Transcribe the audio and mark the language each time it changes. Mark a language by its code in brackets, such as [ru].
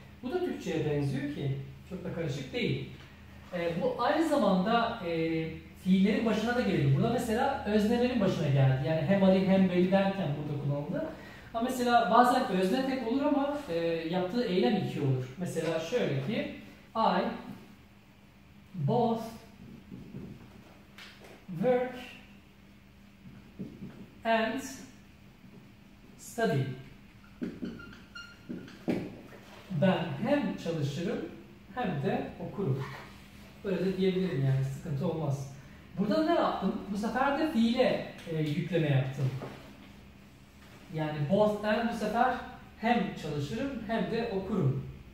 [tr] Bu da Türkçe'ye benziyor ki çok da karışık değil. Bu aynı zamanda fiillerin başına da geliyor. Burada mesela öznelerin başına geldi. Yani hem Ali hem Veli derken burada kullanıldı. Ha mesela bazen özne tek olur ama yaptığı eylem iki olur. Mesela şöyle ki [en] I both work and study. [tr] Ben hem çalışırım hem de okurum. Böyle de diyebilirim, yani sıkıntı olmaz. Burada ne yaptım? Bu sefer de fiile yükleme yaptım. Yani both and bu sefer hem çalışırım hem de okurum.